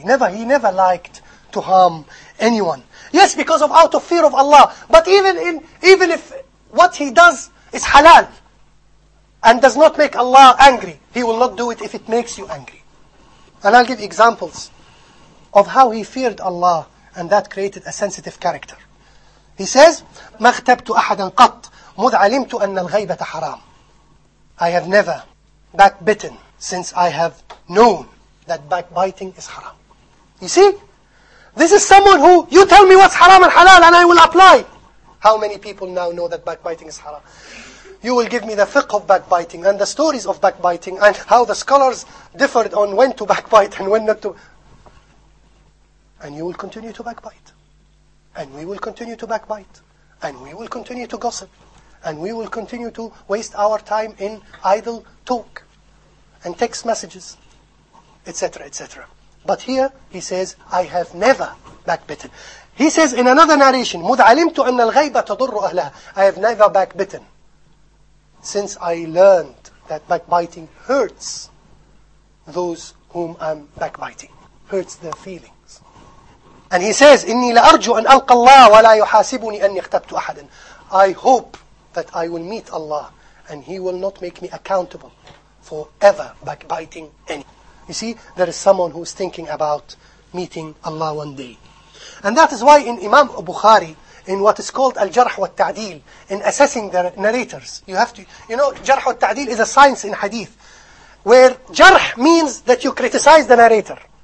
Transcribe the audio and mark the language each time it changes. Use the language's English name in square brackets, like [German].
[English] He never liked to harm anyone. Yes, because of out of fear of Allah. But even if what he does is halal and does not make Allah angry, he will not do it if it makes you angry. And I'll give examples of how he feared Allah and that created a sensitive character. He says, [Arabic] "مَا اغْتَبْتُ أَحَدًا قَطْ مُذْ عَلِمْتُ أَنَّ الْغَيْبَةَ حَرَامٌ." [English] I have never backbitten since I have known that backbiting is haram. You see, this is someone who, you tell me what's haram and halal and I will apply. How many people now know that backbiting is haram? You will give me the fiqh of backbiting and the stories of backbiting and how the scholars differed on when to backbite and when not to. And you will continue to backbite. And we will continue to backbite. And we will continue to gossip. And we will continue to waste our time in idle talk and text messages, etc., etc. But here he says, "I have never backbitten." He says in another narration, [Arabic] "مُذْ عَلِمْتُ أَنَّ الْغَيْبَ تَضُرُّ أَهْلَهَا." [English] I have never backbitten since I learned that backbiting hurts those whom I'm backbiting, hurts their feelings. And he says, [Arabic] "إِنِّي لَأَرْجُو أَنْ أَلْقَى اللَّهَ وَلَا يُحَاسِبُنِي أَنِّي اغْتَبْتُ أَحَدًا." [English] I hope that I will meet Allah and He will not make me accountable for ever backbiting any. You see, there is someone who is thinking about meeting Allah one day. And that is why in Imam Bukhari, in what is called Al-Jarh wa Al-Ta'deel, in assessing the narrators, you have to, you know, Jarh wa Al-Ta'deel is a science in Hadith, where Jarh means that you criticize the narrator.